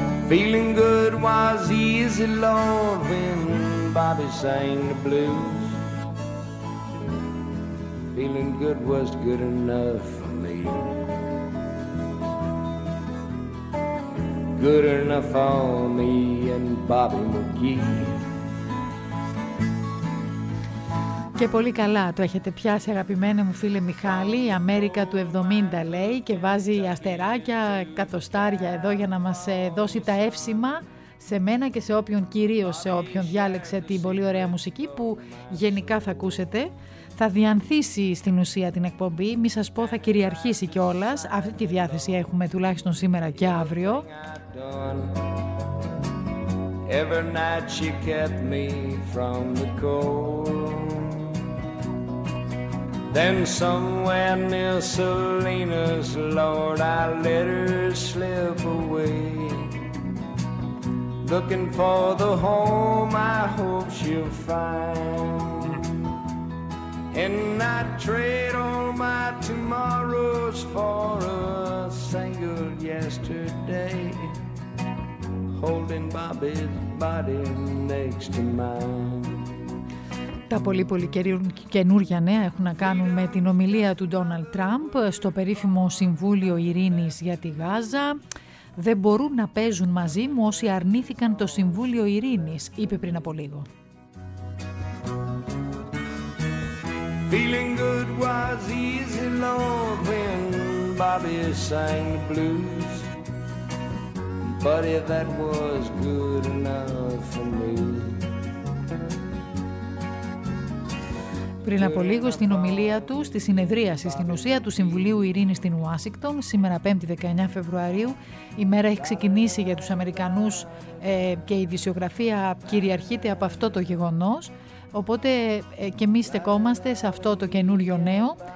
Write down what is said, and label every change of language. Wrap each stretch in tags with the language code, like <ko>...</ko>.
<en>Feeling good was easy, Lord, when Bobby sang the blues. Feeling good was good enough for me. Good enough for me and Bobby McGee.</en> <el>Και πολύ καλά το έχετε πιάσει, αγαπημένο μου φίλε Μιχάλη. Η Αμέρικα του 70 λέει και βάζει αστεράκια, κατοστάρια εδώ για να μας δώσει τα εύσημα σε μένα και σε όποιον, κυρίως σε όποιον διάλεξε την πολύ ωραία μουσική που γενικά θα ακούσετε. Θα διανθίσει στην ουσία την εκπομπή, μη σας πω, θα κυριαρχήσει κιόλας. Αυτή τη διάθεση έχουμε τουλάχιστον σήμερα και αύριο.</el> <en>Every night she kept me from the cold. Then somewhere near Selena's, Lord, I let her slip away. Looking for the home I hope she'll find. And I'd trade all my tomorrows for a single yesterday. Holding Bobby's body next to mine.</en> <el>Τα πολύ πολύ καινούργια νέα έχουν να κάνουν με την ομιλία του Ντόναλντ Τραμπ στο περίφημο Συμβούλιο Ειρήνης για τη Γάζα. «Δεν μπορούν να παίζουν μαζί μου όσοι αρνήθηκαν το Συμβούλιο Ειρήνης», είπε πριν από λίγο.</el> <en>Feeling good was easy, Lord, when Bobby sang the blues. Buddy, that was good enough for me.</en> <el>Πριν από λίγο στην ομιλία του, στη συνεδρίαση στην ουσία του Συμβουλίου Ειρήνης στην Ουάσιγκτον, σήμερα 5η 19 Φεβρουαρίου, η μέρα έχει ξεκινήσει για τους Αμερικανούς και η δισιογραφία κυριαρχείται από αυτό το γεγονός, οπότε και εμείς στεκόμαστε σε αυτό το καινούριο νέο.</el>